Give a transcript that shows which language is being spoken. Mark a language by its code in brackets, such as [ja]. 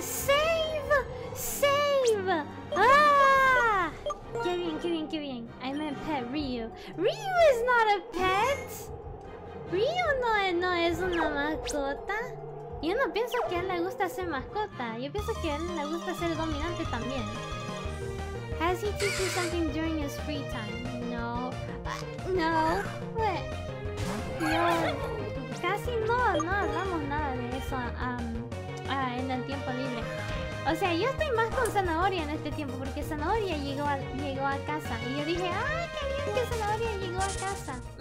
[en] ¡Save! ¡Save! ¡Ah! [es] ¡Qué bien, qué bien, qué bien! [en] I meant pet Ryu. ¡Ryu is not a pet! [es] ¿Ryu no es una mascota? Yo no pienso que a él le gusta ser mascota. Yo pienso que a él le gusta ser dominante también. [en] ¿Has he teach you something during his free time? [es] No. No. No. Casi no hablamos nada de eso en el tiempo libre. O sea, yo estoy más con Zanahoria en este tiempo porque Zanahoria llegó a casa. Y yo dije, ¡ay, qué bien que Zanahoria llegó a casa!